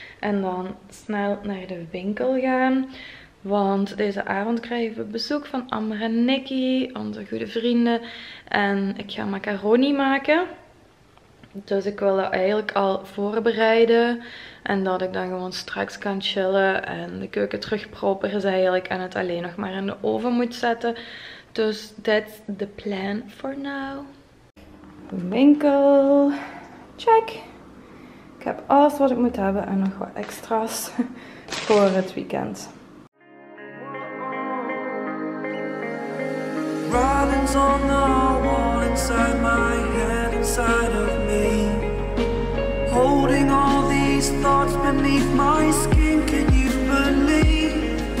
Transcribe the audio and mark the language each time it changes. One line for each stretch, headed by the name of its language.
Dutch: En dan snel naar de winkel gaan. Want deze avond krijgen we bezoek van Amber en Nikki, onze goede vrienden. En ik ga macaroni maken. Dus ik wil dat eigenlijk al voorbereiden. En dat ik dan gewoon straks kan chillen. En de keuken terug proper is eigenlijk. En het alleen nog maar in de oven moet zetten.
English: Dus that's the plan for now.
Dutch: Winkel. Check. Ik heb alles wat ik moet hebben en nog wat extra's voor het weekend.
English: Robin's on the wall inside my head, inside of me. Holding all these thoughts beneath my skin, can you believe?